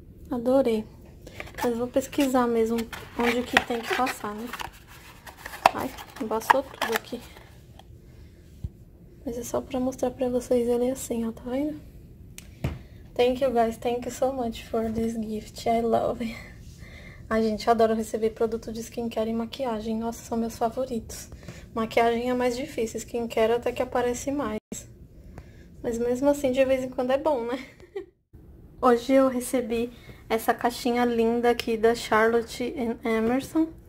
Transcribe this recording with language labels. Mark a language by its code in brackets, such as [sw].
[pt] Adorei. Mas vou pesquisar mesmo onde que tem que passar, né? Ai, embaçou tudo aqui. Mas é só pra mostrar pra vocês ele é assim, ó, tá vendo? [en] Thank you guys, thank you so much for this gift. I love it. [pt] Ai, gente, eu adoro receber produto de skincare e maquiagem. Nossa, são meus favoritos. Maquiagem é mais difícil, skincare até que aparece mais. Mas mesmo assim, de vez em quando é bom, né? Hoje eu recebi essa caixinha linda aqui da Charlotte Emerson.